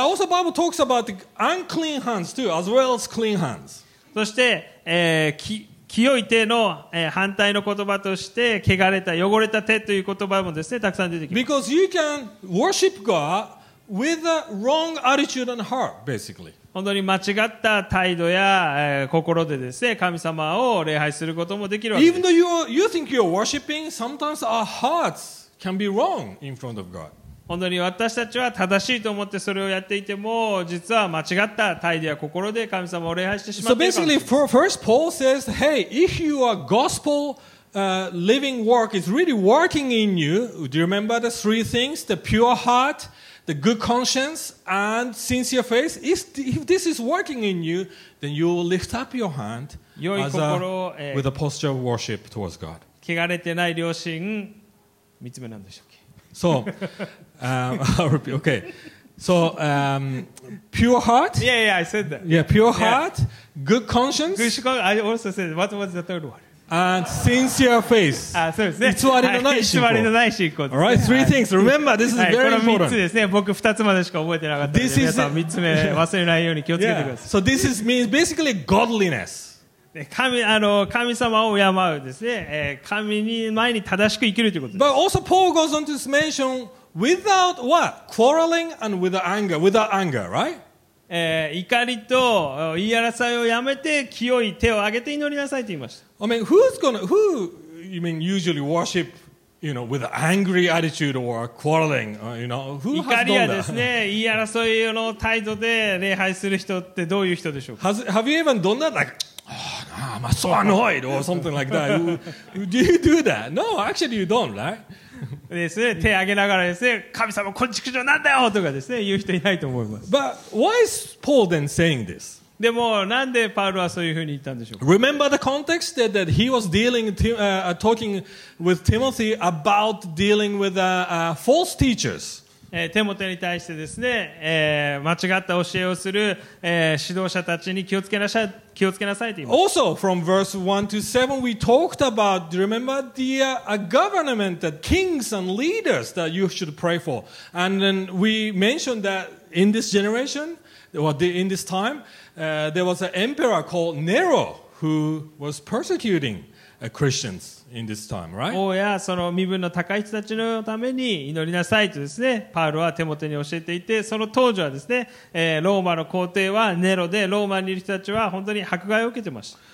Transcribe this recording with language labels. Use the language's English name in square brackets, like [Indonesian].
[English] But also Bible talks about the unclean hands too, as well as clean hands. [Japanese] そして、清い手の反対の言葉として汚れた汚れた手という言葉もですね、たくさん出てきます。 [English] Because you can worship GodWith a wrong attitude and heart, basically. [Japanese] 本当に間違った態度や、心でですね、神様を礼拝することもできるわけです。 Even though you think you're worshiping, sometimes our hearts can be wrong in front of God. 本当に私たちは正しいと思ってそれをやっていても、実は間違った態度や心で神様を礼拝してしまっているわけです。 [English] So basically, first Paul says, hey, if you are gospel, living work is really working in you, do you remember the three things? The pure heart,The good conscience and sincere faith, if this is working in you, then you will lift up your hand with a posture of worship towards God. [Japanese] 汚れてない良心、三つ目なんでしたっけ? [English] So, I'll repeat, okay. So, pure heart. Yeah, yeah, I said that. Yeah, pure heart, good conscience. I also said, what was the third one? And sincere faith. [Japanese] ああそうですね。偽りのない信仰。 [English] All right, three things. Remember, this is very important. [Japanese] この3つですね。僕2つまでしか覚えてなかったので、皆さん3つ目忘れないように気をつけてください。 [English] So this is means basically godliness. [Japanese] 神様を敬うですね。神に前に正しく生きるということです。 [English] But also Paul goes on to mention Without what? Quarreling and without anger. Without anger, right? [Japanese] 怒りと言い争いをやめて清い手を挙げて祈りなさいと言いました。 [English] I mean, who's gonna, who, you mean, usually worship, you know, with an angry attitude or quarreling, you know, who has done that? [Japanese] 怒りやですね、言い争いの態度で礼拝する人ってどういう人でしょうか？ [English] Have you even done that? Like, oh, I'm so annoyed or something like that. Do you do that? No, actually you don't, right? [Japanese] ですね、手を挙げながらですね、神様こんちくじょなんだよとかですね、言う人いないと思います。 [English] But why is Paul then saying this? [Japanese] でもなんでパウロはそういうふうに言ったんでしょうか。 [English] Remember the context that, that he was dealing, talking with Timothy about dealing with false teachers. [Japanese] テモテに対してですね、間違った教えをする、指導者たちに気をつけなさいと言います。 [English] Also from verse 1 to 7 we talked about, do you remember the government, the kings and leaders that you should pray for. And then we mentioned that in this generation, or in this time, there was an emperor called Nero who was persecuting Christians. In this time, right? [Japanese] 王やその身分の高い人たちのために祈りなさいとですね、パウロはテモテに教えていて、その当時はですね、ローマの皇帝はネロで、ローマにいる人たちは本当に迫害を受けてました。